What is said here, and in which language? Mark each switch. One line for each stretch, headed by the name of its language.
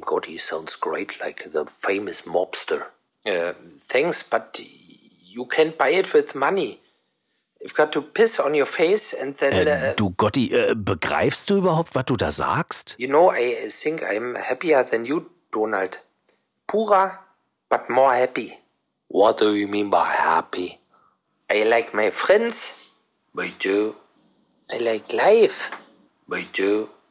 English: Gotti sounds great, like the famous mobster. Thanks, but you can't buy it with money. You've got to piss on your face and then...
German: Du Gotti, begreifst du überhaupt, was du da sagst?
English: You know, I think I'm happier than you, Donald. Purer, but more happy. What do you mean by happy? I like my friends. Me too. I like life. Me too.